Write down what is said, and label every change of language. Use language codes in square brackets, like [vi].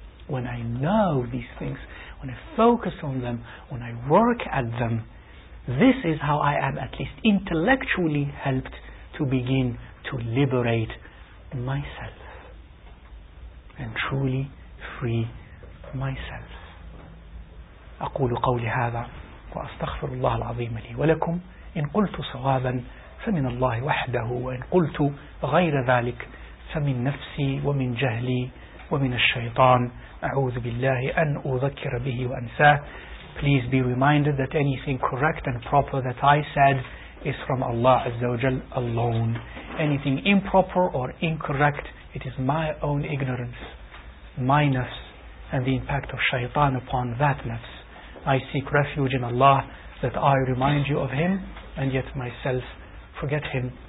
[en] When I know these things, when I focus on them, when I work at them, this is how I am at least intellectually helped to begin to liberate myself and truly free myself. [ar] أقول قولي هذا وأستغفر الله العظيم لي ولكم إن قلت صوابا فمن الله وحده وإن قلت غير ذلك فمن نفسي ومن جهلي ومن الشيطان أعوذ بالله أن أذكر به وأنساه. [en] please be reminded that anything correct and proper that I said is from Allah Azza wa Jal alone. Anything improper or incorrect, it is my own ignorance, my nafs, and the impact of shaitan upon that nafs. I seek refuge in Allah that I remind you of Him, and yet myself forget Him.